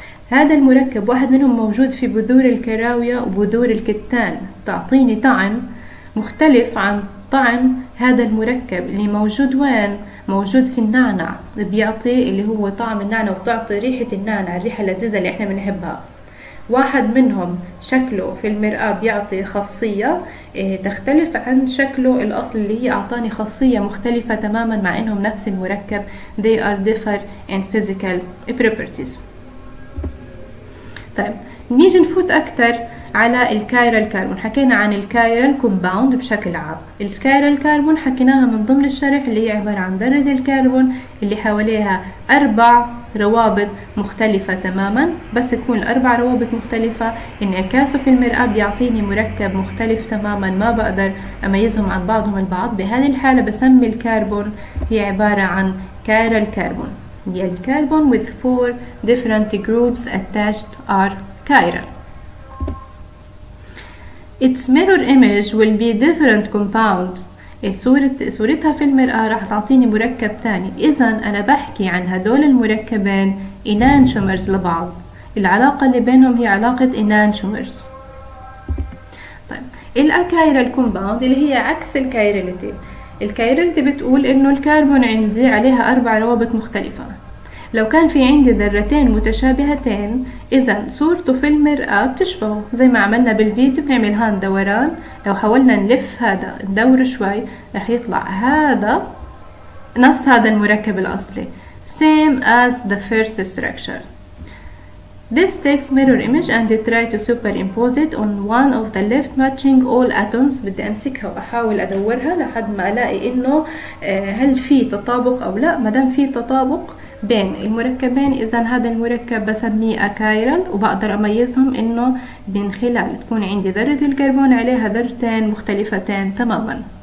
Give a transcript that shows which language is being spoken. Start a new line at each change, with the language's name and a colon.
Arabic: هذا المركب واحد منهم موجود في بذور الكراوية وبذور الكتان، تعطيني طعم مختلف عن طعم هذا المركب اللي موجود وين؟ موجود في النعنع، بيعطي اللي هو طعم النعنع وبتعطي ريحة النعنع، الريحة اللذيذة اللي احنا بنحبها. واحد منهم شكله في المرآة بيعطي خاصية تختلف عن شكله الأصل اللي هي أعطاني خاصية مختلفة تماما مع إنهم نفس المركب.
English: They are different in physical properties.
Arabic: طيب نيجي نفوت أكثر على الكايرال كاربون. حكينا عن الكايرال كومباوند بشكل عام. الكايرال كاربون حكيناها من ضمن الشرح اللي هي عبارة عن ذرة الكاربون اللي حواليها أربع روابط مختلفة تماما، بس تكون الأربع روابط مختلفة انعكاسه في المرآة بيعطيني مركب مختلف تماما، ما بقدر أميزهم عن بعضهم البعض. بهذه الحالة بسمي الكاربون هي عبارة عن كايرال كاربون، هي الكاربون
English: with four different groups attached are chiral. Its mirror image will be different compound.
Arabic: صورتها في المرآة راح تعطيني مركب تاني. إذا أنا بحكي عن هدول المركبين enantiomers لبعض، العلاقة اللي بينهم هي علاقة enantiomers. طيب الأكايرال كومباوند اللي هي عكس الكايرالتي، الكايرالتي بتقول إنه الكربون عندي عليها أربع روابط مختلفة. لو كان في عندي ذرتين متشابهتين اذا صورته في المرآة بتشبه زي ما عملنا بالفيديو، بنعمل هان دوران، لو حاولنا نلف هذا ندور شوي رح يطلع هذا نفس هذا المركب الاصلي،
English: same as the first structure. This takes mirror image and try to superimpose it on one of the left matching all atoms.
Arabic: بدي امسكها واحاول ادورها لحد ما الاقي انه هل في تطابق او لا. ما دام في تطابق بين المركبين اذا هذا المركب بسميه اكايرال، وبقدر اميزهم انه من خلال تكون عندي ذرة الكربون عليها ذرتين مختلفتين تماما.